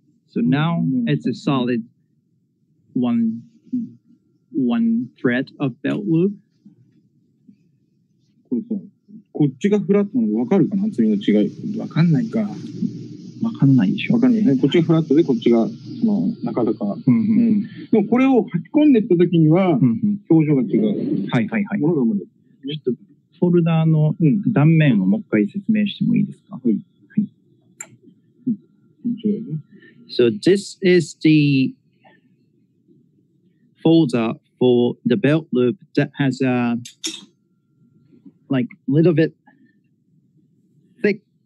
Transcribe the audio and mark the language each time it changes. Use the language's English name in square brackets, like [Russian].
[English] So now it's a solid one thread of belt loop. [Japanese] これさ、こっちがフラットなの分かるかな？厚みの違い。分かんないか。分かんないでしょ。分かんないね。こっちがフラットで、こっちが、中高。でもこれを吐き込んでいったときには、表情が違う。はいはいはい。ちょっと、フォルダーの断面をもう一回説明してもいいですか？はい。はい。 [English] So this is theFolder for the belt loop that has a like little bit thick.